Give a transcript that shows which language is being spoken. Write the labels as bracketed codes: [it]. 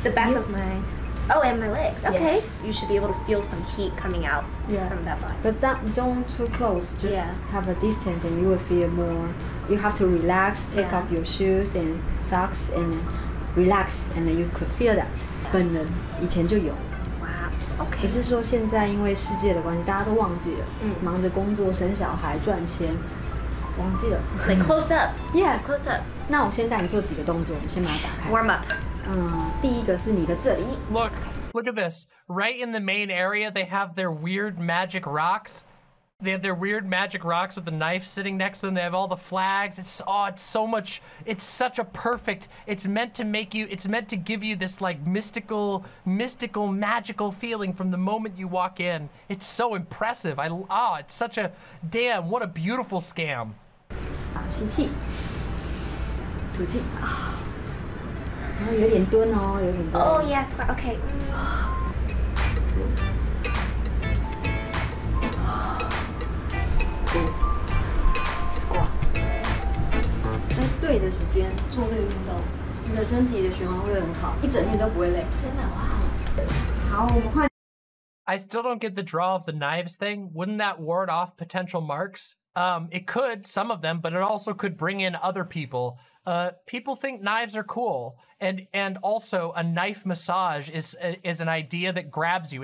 [en] the back、of my, oh, and my legs, okay.、Yes. You should be able to feel some heat coming out、from that body. But that, don't too close, just、have a distance and you will feel more. You have to relax, take、off your shoes and socks and relax and then you could feel that. [zh] 本能以前就有。 [en] Okay. [zh] 只是说现在因为世界的关系大家都忘记了、忙着工作生小孩赚钱忘记了。 [en] Like close up. Yeah, close up. [zh] 那我先带你做几个动作，我们先把它打开。 [en] Warm up。 [zh] 第一个是你的这里。 [en] Look, look at this. Right in the main area, they have their weird magic rocks. They have their weird magic rocks with the knife sitting next to them. They have all the flags. It's, oh, it's so much. It's such a perfect. It's meant to make you. It's meant to give you this like mystical, mystical, magical feeling from the moment you walk in. It's so impressive. It's such a damn. What a beautiful scam. [zh] 好，吸气。吐气啊，然后有点蹲哦，有点蹲。 [en] Oh yes, OK. squat. [zh] 在对的时间做这个运动，你的身体的循环会很好，一整天都不会累。真的哇！好，我们换。 [en] I still don't get the draw of the knives thing. Wouldn't that ward off potential marks? It could, some of them, but it also could bring in other people. People think knives are cool, and also a knife massage is an idea that grabs you.